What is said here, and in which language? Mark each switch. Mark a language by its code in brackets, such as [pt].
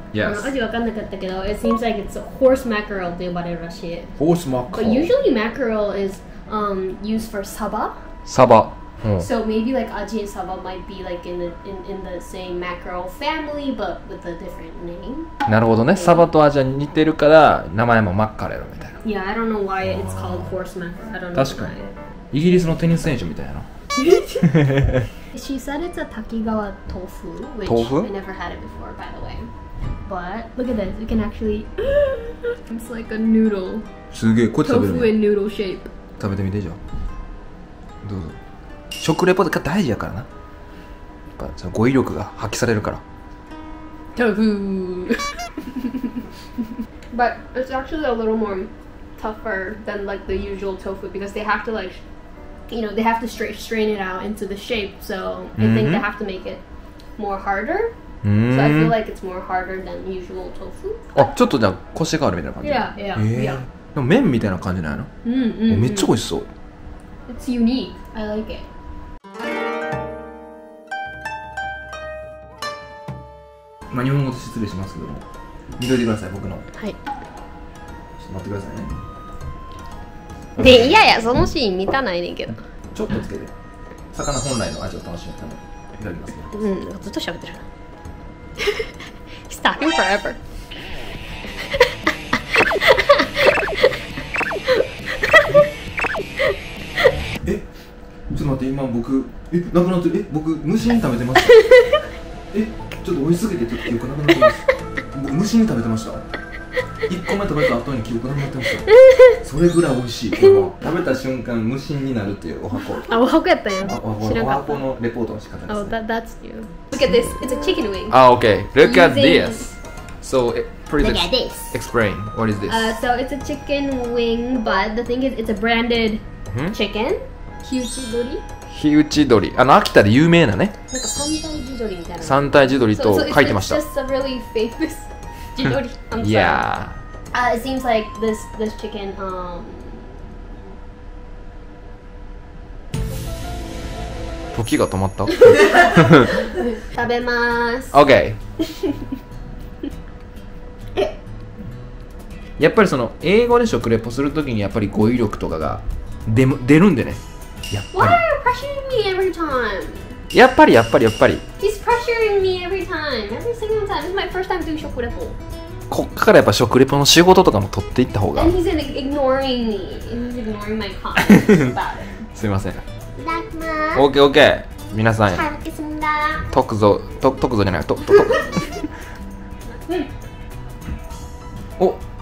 [en] Yes [ja] 味わかんなかったけど [en] It seems like it's horse mackerel [ja] って呼ばれるらしい [en] Horse mackerel But usually mackerel is、used for saba Saba、うん、So maybe like aji and saba might be like in the same mackerel family But with a different name [ja] なるほどね、サバとアジは似てるから名前もマッカレルみたいな [en] Yeah, I don't know why it's called horse mackerel I don't know [ja] 確かにイギリスのテニス選手みたいな [en] She said it's a Takigawa tofu, which tofu? I never had it before, by the way. But look at this, you can actually. It's like a noodle. [ja] すげえ、こっち食べる。 [en] Tofu in noodle shape. [ja] 食べてみてじゃ。どうぞ。食レポが大事やからな。やっぱその語彙力が発揮されるから。 [en] Tofu. But it's actually a little more tougher than like the usual tofu because they have to like. You know, they have to strain it out into the shape, so I think、mm-hmm. they have to make it more harder.、 Mm-hmm. So I feel like it's more harder than usual tofu. [ja] Oh, ちょっとじゃあコシがあるみたいな感じ [en] Yeah, yeah, yeah. [ja] でも麺みたいな感じないの、 mm-hmm. めっちゃ美味しそう。 [en] It's unique. I like it. [ja] まあ日本語で失礼しますけども、見といてください、僕の。はい。ちょっと待ってくださいね。で、いやいや、そのシーン見たないねんけどちょっとつけて魚本来の味を楽しむためにいただきますねうん、ずっと喋ってる [en] He's talking forever [ja] え、ちょっと待って、今僕え、なくなってる、え、僕、無心食べてましたえ、ちょっと美味しすぎて、ちょっと記憶なくなってます僕、無心食べてました1個目食べた後に記憶なくなってましたそれぐらい美味しいこの食べた瞬間無心になるっていうお箱あ、お箱やったんやお箱のレポートの仕方ですね [en] Oh, that's new Look at this, it's a chicken wing Ah, okay, look at this So, please look at this. Explain, what is this? So, it's a chicken wing, but the thing is, it's a branded chicken Hiuchidori [ja] Hiuchidori, あの秋田で有名なねなんか三体地鶏みたいな三体地鶏と書いてました [en] So, it's just a really famous I'm sorry. Yeah. It seems like this chicken, [ja] Toki ga tomatta? Tabemasu. [en] Okay. [ja] やっぱりその英語で食レポするときにやっぱり語彙力とかが出るんでね。やっぱり。 [en] Why are you pressuring me every time? [ja] やっぱりやっぱりやっぱり。 [en] He's pressuring me every time. Every single time. This is my first time doing 食レポ。 [ja] こっからやっぱ食レポの仕事とかも取っていった方が [en] And he's ignoring me. He's ignoring my comments about it. [ja] すいません。いただきます。ます。 OK OK。 皆さん。 [ko] 잘먹겠습니다。 [ja] トクゾトトクゾじゃないトトト。